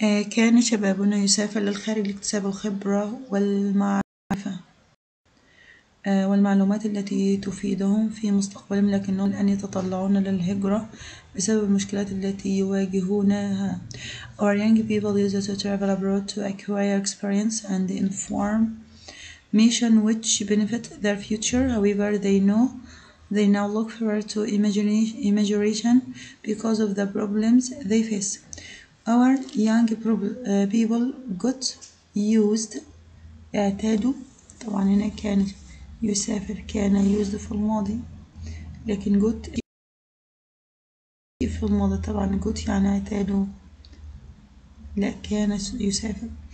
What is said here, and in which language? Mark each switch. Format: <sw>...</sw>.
<ar>كان شبابنا يسافر للخارج لاكتساب الخبرة والمعرفة والمعلومات التي تفيدهم في مستقبلهم لكنهم الآن يتطلعون للهجرة بسبب المشكلات التي يواجهونها.</ar> <en>Our young people use it to travel abroad to acquire experience and inform mission which benefit their future. However, they now look forward to immigration because of the problems they face. Our young people got used</en> <ar>اعتادوا طبعا هنا كان يسافر كان used في الماضي لكن got في الماضي طبعا got يعني اعتادوا لا كان يسافر.</ar>